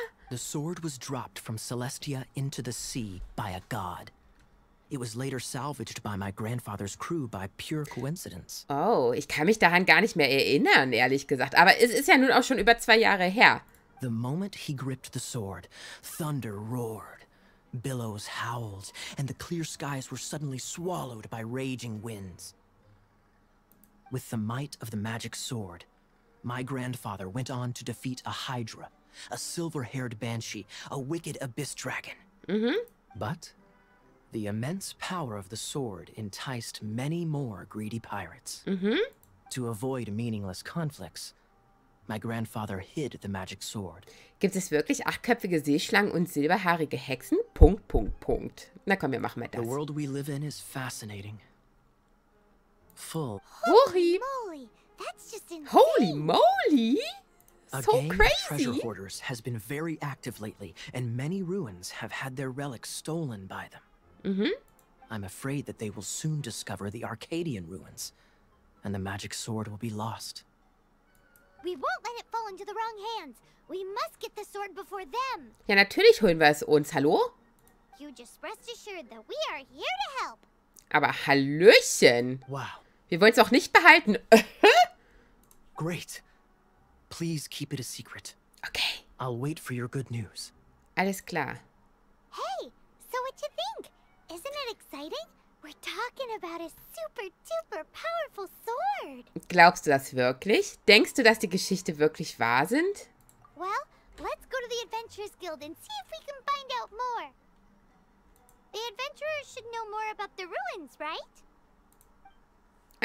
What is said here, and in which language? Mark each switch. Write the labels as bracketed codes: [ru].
[en] The sword was dropped from Celestia into the sea by a god. It was later salvaged by my grandfather's crew by pure coincidence. [de] Oh, ich kann mich daran gar nicht mehr erinnern, ehrlich gesagt. Aber es ist ja nun auch schon über 2 Jahre her. [en] The moment he gripped the sword, thunder roared, billows howled, and the clear skies were suddenly swallowed by raging winds. With the might of the magic sword, my grandfather went on to defeat a hydra, a silver-haired banshee, a wicked abyss dragon. Mm-hmm. But the immense power of the sword enticed many more greedy pirates. Mm-hmm. To avoid meaningless conflicts, my grandfather hid the magic sword. [de] Gibt es wirklich 8-köpfige Seeschlangen und silberhaarige Hexen? Punkt, Punkt, Punkt. Na komm, wir machen mal das. [en] The world we live in is fascinating. Full. Holy moly! That's just insane! Holy moly! So crazy! A gang of treasure hoarders has been very active lately, and many ruins have had their relics stolen by them. Mm-hmm. I'm afraid that they will soon discover the Arcadian ruins, and the magic sword will be lost. We won't let it fall into the wrong hands. We must get the sword before them. [de] Ja, natürlich holen wir es uns. Hallo? [en] You just rest assured that we are here to help. [de] Aber Hallöchen. Wow. Wir wollen es auch nicht behalten. [en] Great. Please keep it a secret. Okay. I'll wait for your good news. [de] Alles klar. [en] Hey, so what you think? Isn't it exciting? We're talking about a super duper powerful sword. [de] Glaubst du das wirklich? Denkst du, dass die Geschichte wirklich wahr sind? [en] Well, let's go to the Adventurers Guild and see if we can find out more. The adventurers should know more about the ruins, right?